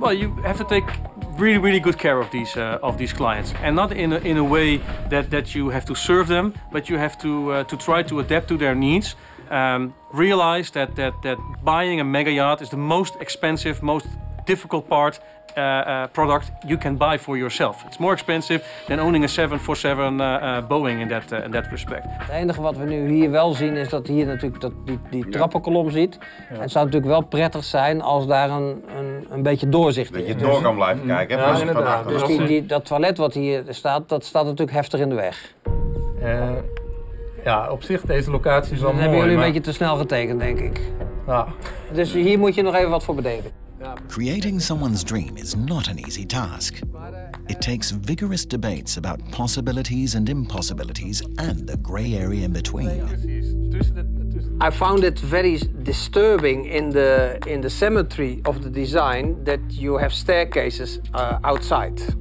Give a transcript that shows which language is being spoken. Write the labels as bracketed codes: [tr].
[en] Well, you have to take really, really good care of these clients, and not in a way that you have to serve them, but you have to try to adapt to their needs. Realize that buying a mega yacht is the most expensive, most difficult part product you can buy for yourself. It's more expensive than owning a 747 Boeing in that respect. [nl] Het enige wat we nu hier wel zien is dat hier natuurlijk die trappenkolom ziet. Ja. En het zou natuurlijk wel prettig zijn als daar een beetje doorzicht dat je door kan blijven kijken. Ja, inderdaad. Dus dat toilet wat hier staat, dat staat natuurlijk heftig in de weg. Ja, op zich, deze locatie is wel mooi. Hebben jullie een beetje te snel getekend, denk ik. Ja. Dus hier moet je nog even wat voor bedenken. [en] Creating someone's dream is not an easy task. It takes vigorous debates about possibilities and impossibilities and the gray area in between. I found it very disturbing in the symmetry of the design that you have staircases outside.